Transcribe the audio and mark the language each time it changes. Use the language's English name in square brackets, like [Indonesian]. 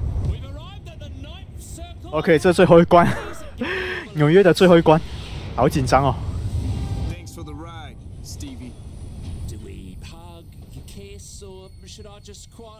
[English] We've arrived at the ninth circle. [Chinese] Okay, 这最后一关，纽约的最后一关，好紧张哦。 [English] Thanks for the ride, Stevie. Do we hug, kiss, or should I just quiet?